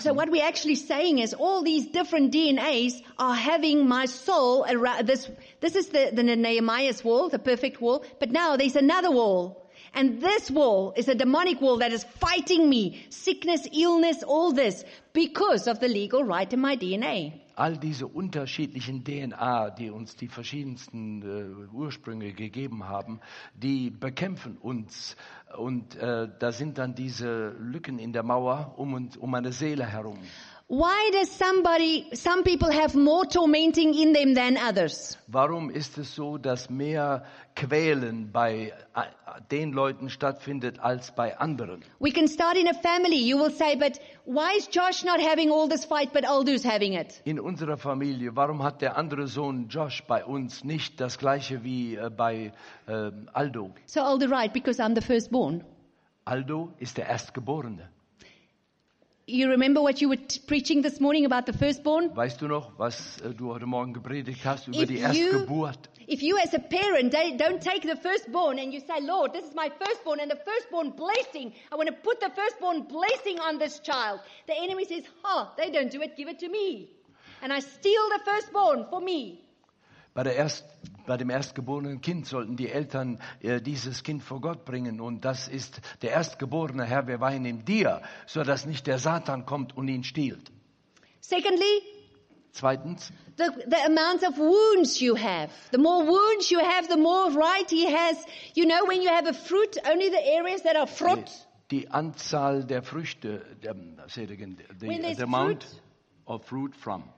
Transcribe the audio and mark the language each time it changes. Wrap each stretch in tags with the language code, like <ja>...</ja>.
<en>So what we're actually saying is, all these different DNAs are having my soul around, this is the Nehemiah's wall, the perfect wall, but now there's another wall. And this wall is a demonic wall that is fighting me, sickness, illness, all this, because of the legal right in my DNA.</en> <de>All diese unterschiedlichen DNA, die uns die verschiedensten Ursprünge gegeben haben, die bekämpfen uns. Und da sind dann diese Lücken in der Mauer um meine Seele herum.</de> <en>Why does some people have more tormenting in them than others?</en> <de>Warum ist es so, dass mehr Quälen bei den Leuten stattfindet als bei anderen?</de> <en>We can start in a family. You will say, but why is Josh not having all this fight, but Aldo's having it?</en> <de>In unserer Familie, warum hat der andere Sohn Josh bei uns nicht das gleiche wie bei Aldo?</de> <en>So Aldo, right, because I'm the firstborn.</en> <de>Aldo ist der Erstgeborene.</de> <en>You remember what you were preaching this morning about the firstborn?</en> <de>Weißt du noch, was du heute Morgen gepredigt hast über die Erstgeburt?</de> <en>If you as a parent don't take the firstborn and you say, Lord, this is my firstborn and the firstborn blessing, I want to put the firstborn blessing on this child. The enemy says, oh, they don't do it, give it to me. And I steal the firstborn for me.</en> <de>Bei dem erstgeborenen Kind sollten die Eltern dieses Kind vor Gott bringen. Und das ist der erstgeborene Herr, wir weihen ihm dir, sodass nicht der Satan kommt und ihn stiehlt.</de> <en>Secondly,</en> <de>Zweitens,</de> <en>the amount of wounds you have. The more wounds you have, the more right he has. You know, when you have a fruit, only the areas that are fruit.</en> <de>Die Anzahl der Früchte,</de> <en>say it again, the amount fruit, of fruit from.</en>